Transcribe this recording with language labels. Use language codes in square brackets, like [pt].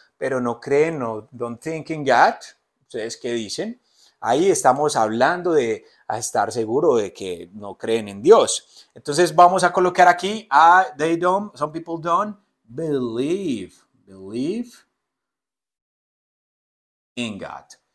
[es] Pero no creen, no, [en] don't think in God. [es] ¿Ustedes qué dicen? Ahí estamos hablando de estar seguro de que no creen en Dios. Entonces, vamos a colocar aquí, [en] they don't, some people don't believe, believe in God.